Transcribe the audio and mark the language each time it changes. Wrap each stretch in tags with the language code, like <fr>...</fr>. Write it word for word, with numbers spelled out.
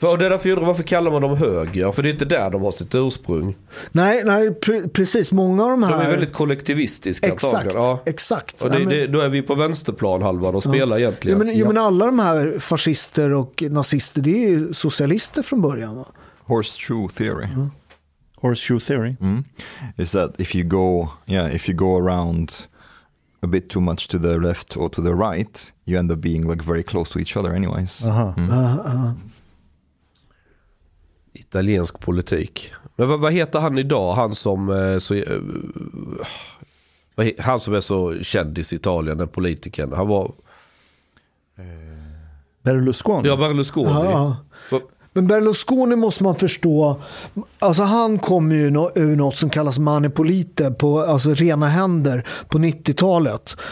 <sv>För, och det är därför jag undrar, varför kallar man dem höger? För det är inte där de har sitt ursprung. Nej, nej pre- precis. Många av de här... De är väldigt kollektivistiska. Exakt, ja. exakt. Och det, ja, men... det, då är vi på vänsterplan halvan och spelar ja. egentligen. Jo, men, jo, men alla de här fascister och nazister, det är ju socialister från början, va?</sv> <en>Horseshoe theory. Mm. Horseshoe theory mm. is that if you go, yeah, if you go around a bit too much to the left or to the right, you end up being like very close to each other, anyways. Uh-huh. Mm. Uh-huh.</en> <sv>Italiensk politik. Men vad, vad heter han idag? Han som eh, så, eh, han som är så kändis i Italien, den politikern. Han var eh, Berlusconi. Ja, Berlusconi. Uh-huh. Va- Men Berlusconi måste man förstå, alltså han kom ju ur något som kallas manipolite, på, alltså rena händer, på nittiotalet.</sv>